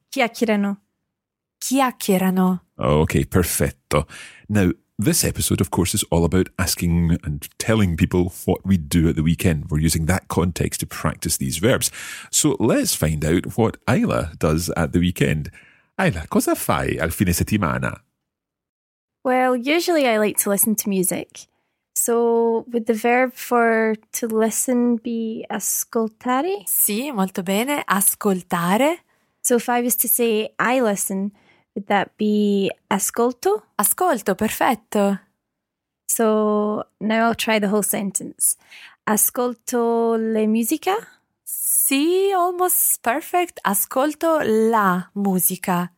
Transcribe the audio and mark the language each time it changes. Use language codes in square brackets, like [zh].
[it] Chiacchierano. Chiacchierano. Okay, perfetto. [en] Now, this episode, of course, is all about asking and telling people what we do at the weekend. We're using that context to practice these verbs. So let's find out what Ayla does at the weekend. [it] Ayla, cosa fai al fine settimana? [en] Well, usually I like to listen to music. So would the verb for to listen be ascoltare? [it] Sì, molto bene, ascoltare. [en] So if I was to say I listen, would that be ascolto? [it] Ascolto, perfetto. [en] So now I'll try the whole sentence. [it] Ascolto la musica? Sì, [en] almost perfect. [it] Ascolto la musica.